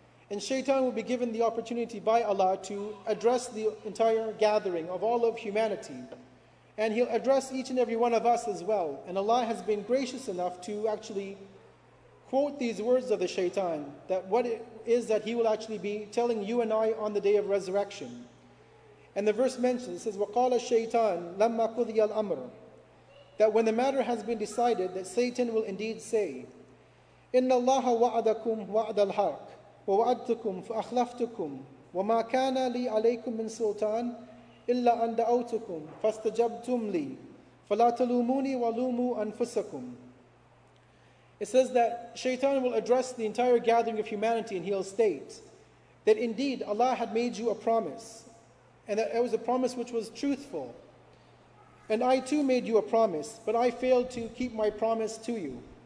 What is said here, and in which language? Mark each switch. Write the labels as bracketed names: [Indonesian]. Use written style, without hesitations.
[English] And shaitan will be given the opportunity by Allah to address the entire gathering of all of humanity. And he'll address each and every one of us as well. And Allah has been gracious enough to actually quote these words of the shaitan, that what it is that he will actually be telling you and I on the day of resurrection. And the verse mentions, it says, [Arabic] وَقَالَ الشَّيْطَانُ لَمَّا قُضِيَ الْأَمْرُ, [English] that when the matter has been decided, that Satan will indeed say, [Arabic] إِنَّ اللَّهَ وَعَدَكُمْ وَعَدَ الْحَقِّ وَوَعَدْتُكُمْ فَأَخْلَفْتُكُمْ وَمَا كَانَ لِي عَلَيْكُمْ مِنْ سُلْطَانِ إِلَّا أَنْ دَعَوْتُكُمْ فَاسْتَجَبْتُمْ لِي فَلَا تَلُومُونِي وَلُومُوا أَنفُسَكُمْ. [English] It says that Shaitan will address the entire gathering of humanity, and he'll state that indeed Allah had made you a promise, and that it was a promise which was truthful. And I too made you a promise, but I failed to keep my promise to you.